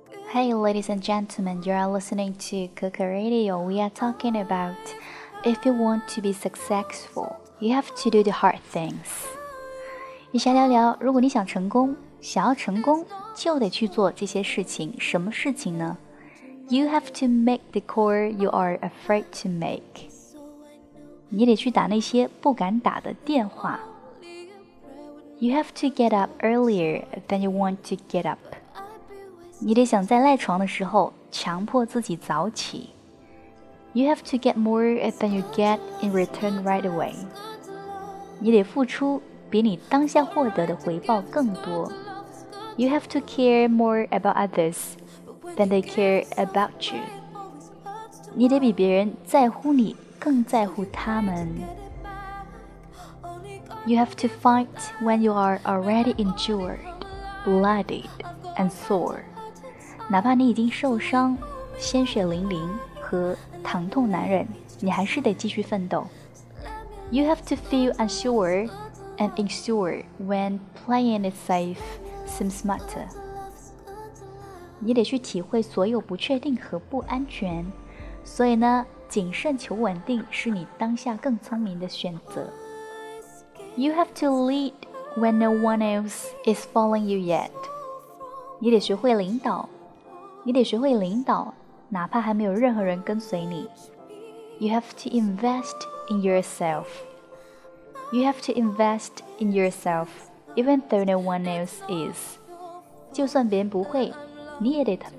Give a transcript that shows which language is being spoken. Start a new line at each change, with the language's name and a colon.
English: Hey, ladies and gentlemen, you are listening to Kuka Radio. We are talking about if you want to be successful, you have to do the hard things.
Chinese: 一下聊聊，如果你想成功，想要成功，就得去做这些事情。什么事情呢？
English: You have to make the call you are afraid to make.
Chinese: 你得去打那些不敢打的电话。
English: You have to get up earlier than you want to get up.
Chinese: 你得想在赖床的时候强迫自己早起。
English: You have to get more than you get in return right away.
Chinese: 你得付出比你当下获得的回报更多。
English: You have to care more about others than they care about you.
Chinese: 你得比别人在乎你更在乎他们。
English: You have to fight when you are already injured, bloodied, and sore.
Chinese: 哪怕你已经受伤，鲜血淋淋和疼痛难忍，你还是得继续奋斗。
English: You have to feel unsure and insure when playing it safe seems smarter.
Chinese: 你得去体会所有不确定和不安全，所以呢，谨慎求稳定是你当下更聪明的选择。
English: You have to lead when no one else is following you yet.
Chinese: 你得学会领导。你得学会领导，哪怕还没有任何人跟随你。
English: You have to invest in yourself. You have to invest in yourself, even though no one else is.
Chinese: 就算别人不会，你也得。